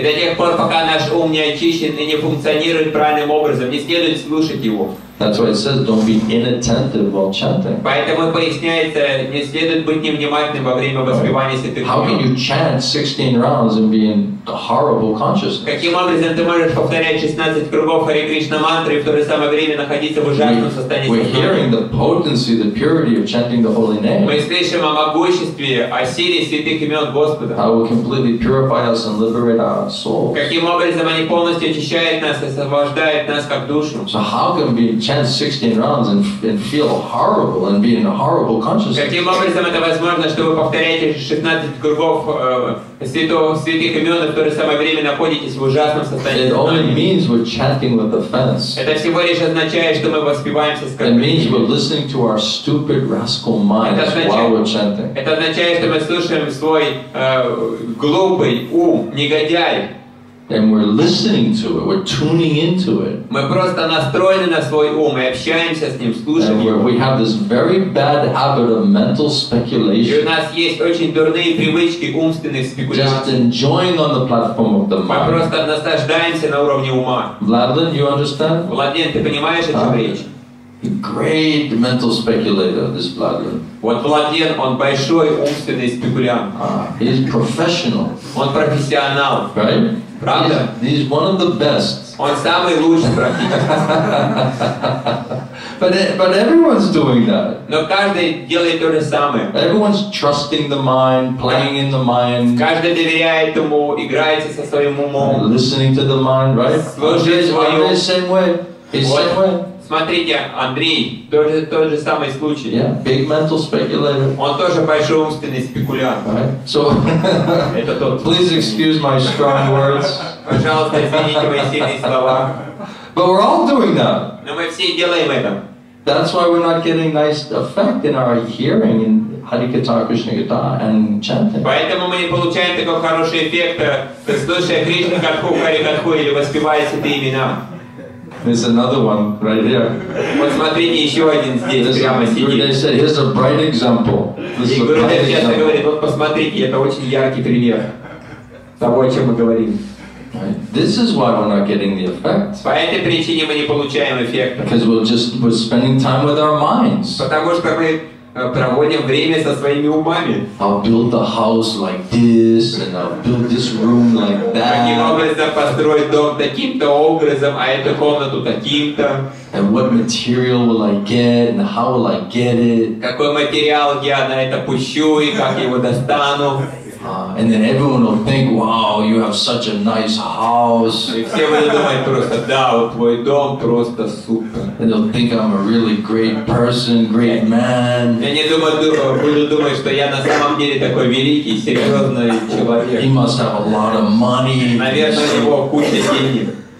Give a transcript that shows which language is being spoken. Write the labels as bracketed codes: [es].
[ru] И до тех пор, пока наш ум не очищен и не функционирует правильным образом, не следует слушать его. [en] That's why it says, "Don't be inattentive while chanting." [ru] Поэтому поясняется, не следует быть невнимательным во время воспевания святых. [en] How can you chant 16 rounds and be in horrible consciousness? [ru] Каким образом ты можешь повторять 16 кругов Хари Кришна мантры и в то же самое время находиться в ужасном состоянии? [en] We're hearing the potency, the purity of chanting the holy name. [ru] Мы слышим о могуществе, о силе святых имен Господа. [en] How will completely purify us and liberate our souls? [ru] Каким образом они полностью очищают нас и освобождают нас как душу? [en] So how can we chant 16 rounds and feel horrible and be in a horrible consciousness? [ru] Каким образом это возможно, что вы повторяете 16 кругов святых имен, в то же самое время находитесь в ужасном состоянии? [en] It only means we're chanting with offense. [ru] Это всего лишь означает, что мы воспеваемся с оскорблением. [en] It means we're listening to our stupid rascal minds while we're chanting. [ru] Это означает, что мы слушаем свой глупый ум, негодяй. [en] And we're listening to it. We're tuning into it. [ru] Мы просто настроены на свой ум, мы общаемся с ним, слушаем его. [en] And we have this very bad habit of mental speculation. [ru] И у нас есть очень дурные привычки умственных спекуляций. [en] Just enjoying on the platform of the mind. [ru] Мы просто наслаждаемся на уровне ума. [en] Владлен, you understand? [ru] Владлен, ты понимаешь эту речь? [en] The great mental speculator, this Владлен. [ru] Вот Владлен, он большой умственный спекулянт. [en] He's professional. [ru] Он профессионал. [en] Right? [ru] Правда? [en] He's one of the best. [ru] Он самый лучший практик. [en] But everyone's doing that. [ru] Но каждый делает то же самое. [en] Everyone's trusting the mind, playing in the mind. [ru] Каждый доверяет ему, играется со своим умом. [en] Listening to the mind, right? [ru] Слушает свою. [en] The same way. Same way. [ru] Смотрите, Андрей, тот же самый случай. [en] Yeah, big mental speculator. [ru] Он тоже большой умственный спекулянт. [en] Right. So, [ru] это тот. [en] Please excuse my strong words. [ru] Пожалуйста, извините мои сильные слова. [en] But we're all doing that. [ru] Но мы все делаем это. [en] That's why we're not getting nice effect in our hearing in Hari Katha, Krishna Katha, and chanting. [ru] Поэтому мы не получаем такого хорошего эффекта, слушая Кришна Катху, Хари Катху или воспевая святые имена. [en] There's another one right here. [ru] Вот смотрите, еще один здесь, прямо сидит. [en] They said, here's a bright example. This is a bright example. [ru] И Гуру сейчас говорит, вот посмотрите, это очень яркий пример того, о чем мы говорим. [en] Right. This is why we're not getting the effect. [ru] По этой причине мы не получаем эффект. [en] Because we're spending time with our minds. [ru] Потому что мы проводим время со своими умами. [en] I'll build a house like this, and I'll build this room like that. [ru] Каким образом построить дом таким-то образом, а эту комнату таким-то? [en] And what material will I get, and how will I get it? [ru] Какой материал я на это пущу и как его достану? [en] And then everyone will think, "Wow, you have such a nice house." [ru] И все будут думать просто, да, твой дом просто супер. [en] And they'll think I'm a really great person, great man. [ru] Я не думаю, буду думать, что я на самом деле такой великий, серьезный человек. [en] He must have a lot of money. [ru] Наверное, у него куча денег.